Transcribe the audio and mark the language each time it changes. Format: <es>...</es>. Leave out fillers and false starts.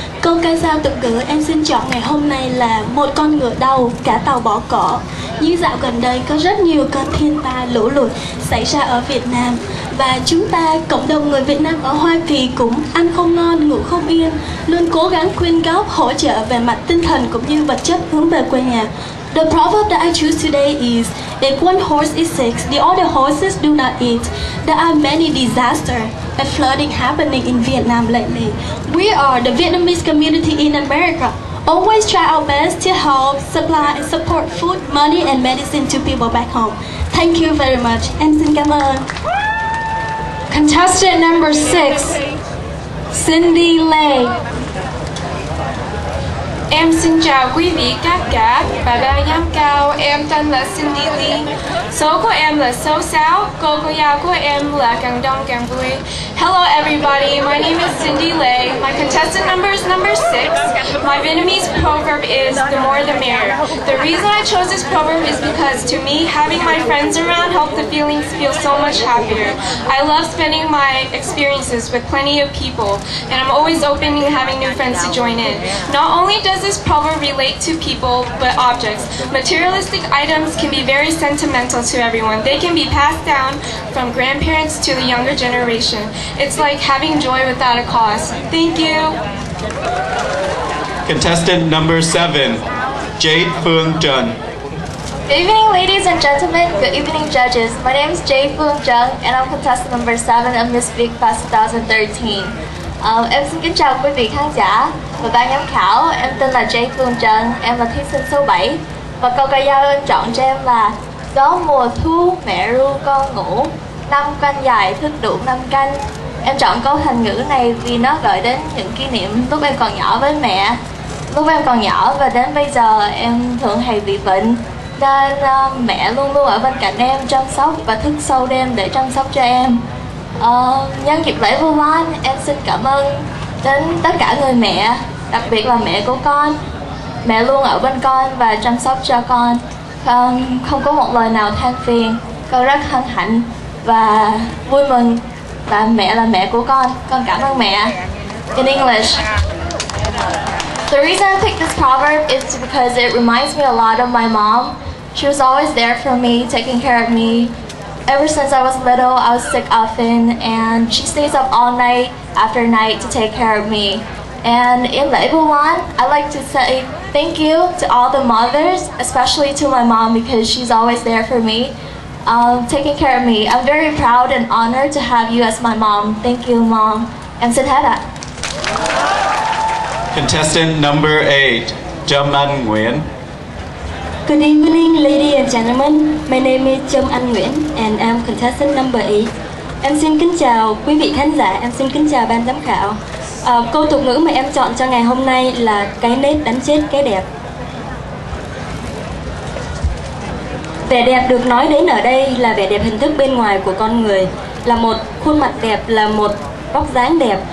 <vi>Câu ca dao tục ngữ em xin chọn ngày hôm nay là một con ngựa đau, cả tàu bỏ cỏ. Như dạo gần đây có rất nhiều cơn thiên tai lũ lụt xảy ra ở Việt Nam. Và chúng ta, cộng đồng người Việt Nam ở Hoa Kỳ cũng ăn không ngon, ngủ không yên, luôn cố gắng quyên góp, hỗ trợ về mặt tinh thần cũng như vật chất hướng về quê nhà.</vi> <en>The proverb that I choose today is, if one horse is sick, the other horses do not eat. There are many disasters and flooding happening in Vietnam lately. We are the Vietnamese community in America. Always try our best to help, supply and support food, money and medicine to people back home. Thank you very much.</en> <vi>Em xin cảm ơn.</vi> <en>Contestant number 6, Cindy Lay.</en> <vi>Em xin chào quý vị các cả và ban giám khảo. Em tên là Cindy Lee. Số của em là số 6. Câu cô giao của em là càng đông càng vui.</vi> <en>Hello everybody, my name is Cindy Lay. My contestant number is number 6. My Vietnamese proverb is the more the merrier. The reason I chose this proverb is because to me, having my friends around helped the feelings feel so much happier. I love spending my experiences with plenty of people, and I'm always open to having new friends to join in. Not only does this proverb relate to people, but objects. Materialistic items can be very sentimental to everyone. They can be passed down from grandparents to the younger generation. It's like having joy without a cause. Thank you. Contestant number 7, Jade Phuong Trần. Good evening, ladies and gentlemen. Good evening, judges. My name is Jade Phuong Trần, and I'm contestant number 7 of Miss Big Bus 2013.</en> <vi>Em xin kính chào quý vị khán giả và ban giám khảo. Em tên là Jade Phuong Trần, em là thí sinh số 7. Và câu ca dao em chọn cho em là gió mùa thu mẹ ru con ngủ, năm canh dài thức đủ năm canh. Em chọn câu thành ngữ này vì nó gợi đến những kỷ niệm lúc em còn nhỏ với mẹ. Lúc em còn nhỏ và đến bây giờ em thường hay bị bệnh, nên mẹ luôn luôn ở bên cạnh em chăm sóc và thức sâu đêm để chăm sóc cho em. Nhân dịp lễ Vu Lan, em xin cảm ơn đến tất cả người mẹ, đặc biệt là mẹ của con. Mẹ luôn ở bên con và chăm sóc cho con. Không có một lời nào than phiền, con rất hân hạnh và vui mừng. Và mẹ là mẹ của con cảm ơn mẹ.</vi> <en>In English. The reason I picked this proverb is because it reminds me a lot of my mom. She was always there for me, taking care of me. Ever since I was little, I was sick often, and she stays up all night after night to take care of me. And in Lễ Vu Lan, I like to say thank you to all the mothers, especially to my mom because she's always there for me, taking care of me. I'm very proud and honored to have you as my mom. Thank you, Mom.</en> <vi>Em xin hết ạ.</vi> <en>Contestant number 8, Trâm Anh Nguyễn. Good evening, ladies and gentlemen. My name is Trâm Anh Nguyễn, and I'm contestant number 8.</en> <vi>Em xin kính chào quý vị khán giả, em xin kính chào ban giám khảo. Câu tục ngữ mà em chọn cho ngày hôm nay là cái nết đánh chết cái đẹp. Vẻ đẹp được nói đến ở đây là vẻ đẹp hình thức bên ngoài của con người, là một khuôn mặt đẹp, là một vóc dáng đẹp.</vi>